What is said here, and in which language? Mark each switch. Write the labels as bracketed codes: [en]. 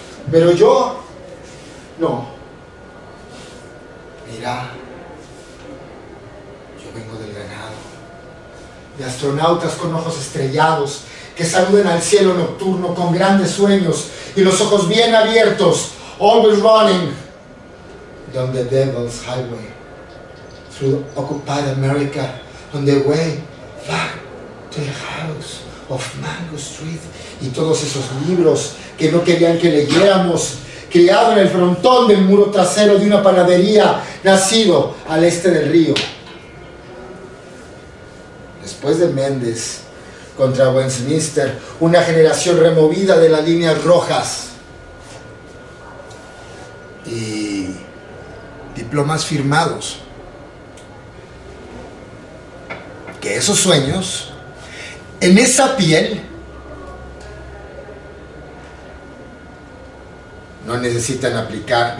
[es] Pero yo, no. Mira, yo vengo del ganado, de astronautas con ojos estrellados que saluden al cielo nocturno con grandes sueños y los ojos bien abiertos. [en] Always running down the devil's highway through occupied America on the way back to the house of Mango Street. [es] Y todos esos libros que no querían que leyéramos, criado en el frontón del muro trasero de una panadería, nacido al este del río. Después de Méndez contra Westminster, una generación removida de las líneas rojas y diplomas firmados, que esos sueños en esa piel no necesitan aplicar.